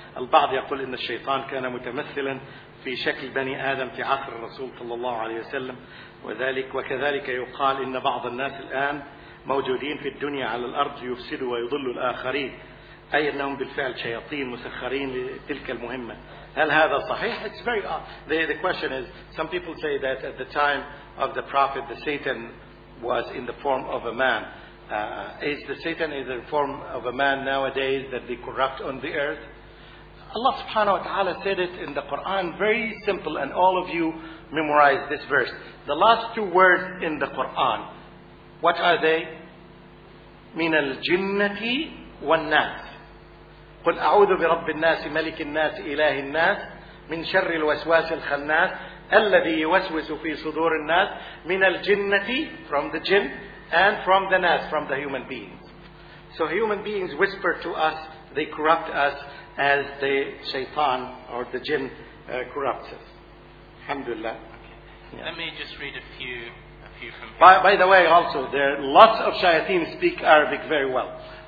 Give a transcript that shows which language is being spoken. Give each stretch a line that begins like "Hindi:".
Arabic: البعض يقول إن الشيطان كان متمثلا في شكل بني آدم في عصر الرسول صلى الله عليه وسلم وذلك وكذلك يقال إن بعض الناس الآن موجودين في الدنيا على الأرض يفسدوا ويضلوا الآخرين أي أنهم بالفعل شياطين مسخرين لتلك المهمة. هل هذا صحيح؟
English: It's very the question is some people say that at the time of the prophet the Satan was in the form of a man. Is the Satan in the form of a man nowadays that they corrupt on the earth? Allah subhanahu wa ta'ala said it in the Quran very simple, and all of you memorize this verse. The last two words in the Quran, what are they?
Arabic: من الجنة والناس. قل أعوذ برب الناس ملك الناس إله الناس من شر الوسواس الخناس الذي يوسوس في صدور الناس من الجنة
English: from the jinn and from the nas, from the human beings. So human beings whisper to us, they corrupt us as the shaitan or the jinn corrupts us. Alhamdulillah. Okay. Yeah. Let me just read a few from here. By the way, also, there are lots of shayateen speak Arabic very well.